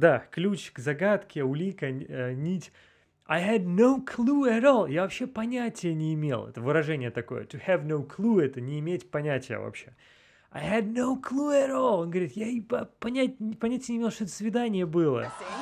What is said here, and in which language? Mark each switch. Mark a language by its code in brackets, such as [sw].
[ru] Ключ к загадке, улика, нить. [en] I had no clue at all. [ru] Я вообще понятия не имел. Это выражение такое. [en] To have no clue [ru] — это не иметь понятия вообще. [en] I had no clue at all. [ru] Он говорит, я и понятия не имел, что это свидание было.